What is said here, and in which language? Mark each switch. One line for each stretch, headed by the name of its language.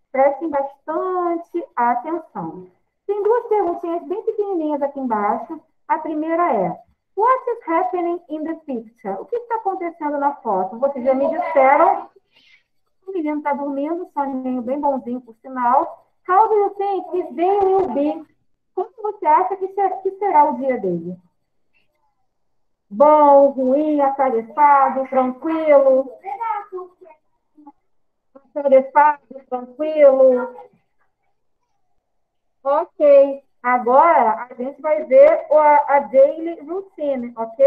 Portuguese: Prestem bastante atenção. Tem duas perguntinhas bem pequenininhas aqui embaixo. A primeira é:
English: happening in the picture?
Portuguese: O que está acontecendo na foto? Vocês já me disseram. O menino está dormindo, soninho bem bonzinho, por sinal.
English: How do you think his day will be?
Portuguese: Como você acha que será o dia dele? Bom, ruim, atarefado, tranquilo. Atarefado, tranquilo. Ok. Agora a gente vai ver a daily routine, ok?